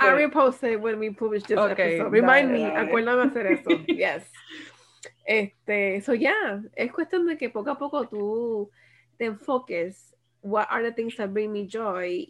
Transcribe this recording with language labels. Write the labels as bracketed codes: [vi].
[en] I'll repost it when we publish this episode. Remind me. [es] Acuérdame hacer eso. Yes. Es cuestión de que poco a poco tú te enfoques. [en] What are the things that bring me joy?